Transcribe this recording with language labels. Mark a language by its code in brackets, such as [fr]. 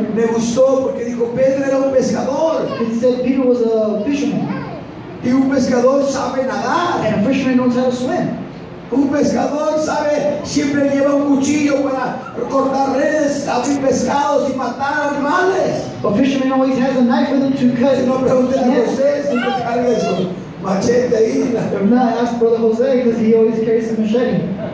[es] Me gustó porque dijo Pedro era un pescador. [en] He said Peter was a fisherman. [es] Y un pescador sabe nadar. [en] And a fisherman knows how to swim. [es] Un pescador sabe, siempre lleva un cuchillo para cortar redes, abrir pescados y matar animales. [en] A fisherman always has a knife with him to cut. [es] Si no pregunten a José, siempre carga eso. Machete ahí. [en] If not, ask Brother Jose because he always carries a machete.